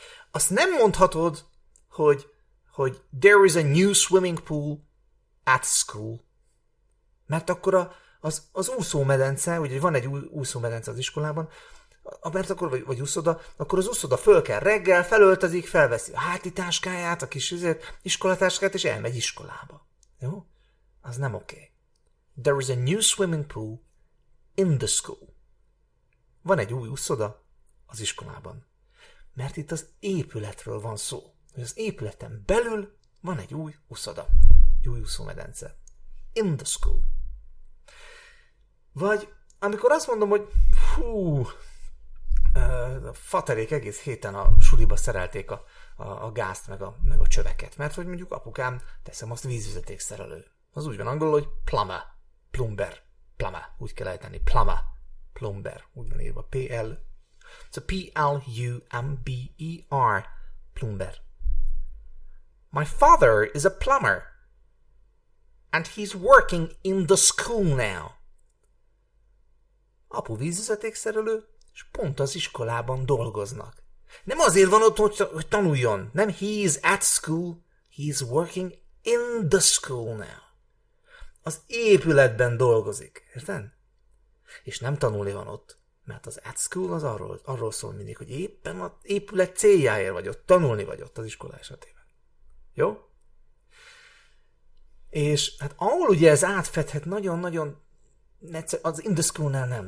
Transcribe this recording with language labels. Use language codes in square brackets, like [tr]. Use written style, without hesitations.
[hu] Azt nem mondhatod, hogy [en] there is a new swimming pool at school, [hu] mert akkor az úszómedence, ugye van egy úszómedence az iskolában, mert akkor, vagy úszoda, akkor az úszoda föl kell reggel, felöltözik, felveszi a háti táskáját, a kis iskolatáskát, és elmegy iskolába. Jó? Az nem oké. Okay. [en] There is a new swimming pool in the school. [hu] Van egy új úszoda az iskolában. Mert itt az épületről van szó. Hogy az épületen belül van egy új úszoda. Egy új úszómedence. [en] In the school. [hu] Vagy amikor azt mondom, hogy fú, a faterék egész héten a suliba szerelték a gázt, meg a csöveket, mert hogy mondjuk apukám, teszem azt, vízvezetékszerelő. Az úgy van angolul, hogy plumber, úgy kell ejteni, plumber, plumber, úgy van írva, P-L, so P-L-U-M-B-E-R, plumber. [en] My father is a plumber, and he's working in the school now. [hu] Apu vízvezetékszerelő, és pont az iskolában dolgoznak. Nem azért van ott, hogy tanuljon. Nem, [en] he's at school, he's working in the school now. [hu] Az épületben dolgozik, érted? És nem tanulni van ott, mert az at school az arról szól mindig, hogy éppen az épület céljáért vagy ott, tanulni vagy ott az iskola esetében. Jó? És hát ahol ugye ez átfedhet nagyon-nagyon, az in the school-nál nem.